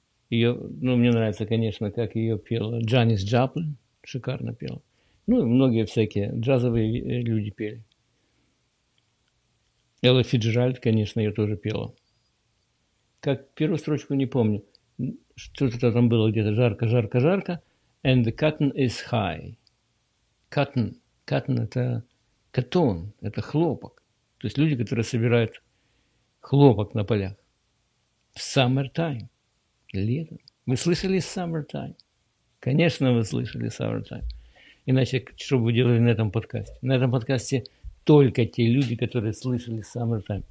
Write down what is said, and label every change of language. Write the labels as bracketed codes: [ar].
[ru] Ее, ну, мне нравится, конечно, как ее пела Джанис Джаплин. Шикарно пела. Ну, и многие всякие джазовые люди пели. Элла Фицджеральд, конечно, ее тоже пела. Как первую строчку не помню. Что-то там было где-то жарко, жарко, жарко. [en] And the cotton is high. Cotton. Cotton – [ru] это [en] cotton. [ru] Это хлопок. То есть люди, которые собирают хлопок на полях. В summertime. Лето. Вы слышали summertime? Конечно, вы слышали summertime. Иначе, что бы вы делали на этом подкасте? На этом подкасте только те люди, которые слышали summertime.